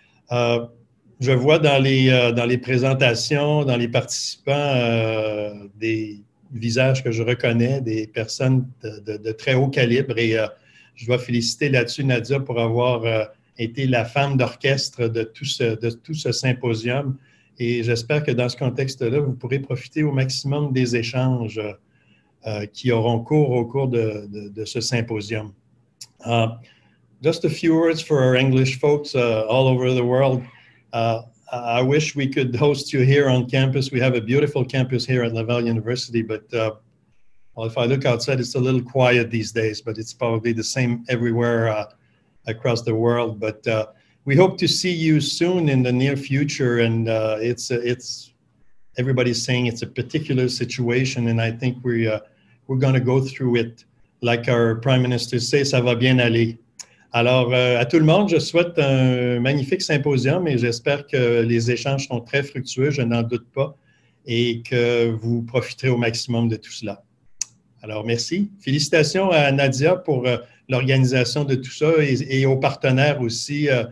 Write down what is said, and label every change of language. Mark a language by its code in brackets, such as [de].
[fr] Je vois dans les présentations, dans les participants, des visages que je reconnais, des personnes de très haut calibre et je dois féliciter là-dessus Nadia pour avoir été la femme d'orchestre de tout ce symposium et j'espère que dans ce contexte-là, vous pourrez profiter au maximum des échanges qui auront cours au cours de ce symposium. [en] Just a few words for our English folks all over the world. I wish we could host you here on campus. We have a beautiful campus here at Laval University, but well, if I look outside, it's a little quiet these days, but it's probably the same everywhere across the world. But we hope to see you soon in the near future. And it's everybody's saying it's a particular situation. And I think we're going to go through it like our prime minister says, [fr] ça va bien aller. Alors, à tout le monde, je souhaite un magnifique symposium et j'espère que les échanges sont très fructueux, je n'en doute pas, et que vous profiterez au maximum de tout cela. Alors, merci. Félicitations à Nadia pour l'organisation de tout ça et aux partenaires aussi.